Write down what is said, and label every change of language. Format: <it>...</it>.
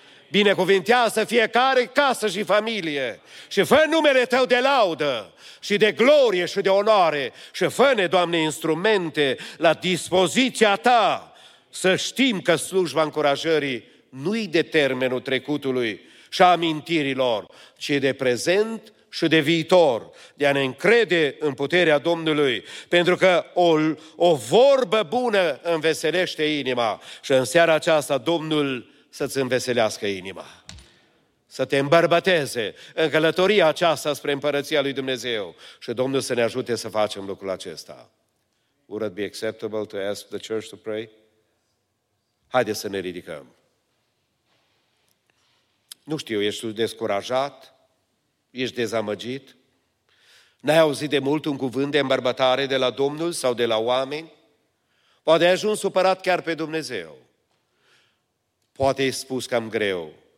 <ro>Binecuvintează fiecare casă și familie și fă numele Tău de laudă și de glorie și de onoare și fă-ne, Doamne, instrumente la dispoziția Ta să știm că slujba încurajării nu-i de termenul trecutului și amintirilor, ci de prezent și de viitor, de a ne încrede în puterea Domnului, pentru că o vorbă bună înveselește inima și în seara aceasta Domnul să-ți înveselească inima, să te îmbărbăteze în călătoria aceasta spre împărăția lui Dumnezeu și Domnul să ne ajute să facem lucrul acesta.</ro> <en>Would it be acceptable to ask the church to pray?</en> <ro>Haideți să ne ridicăm. Nu știu, ești descurajat? Ești dezamăgit? N-ai auzit de mult un cuvânt de îmbărbătare de la Domnul sau de la oameni? Poate ai ajuns supărat chiar pe Dumnezeu. Poate ai spus cam greu.</ro>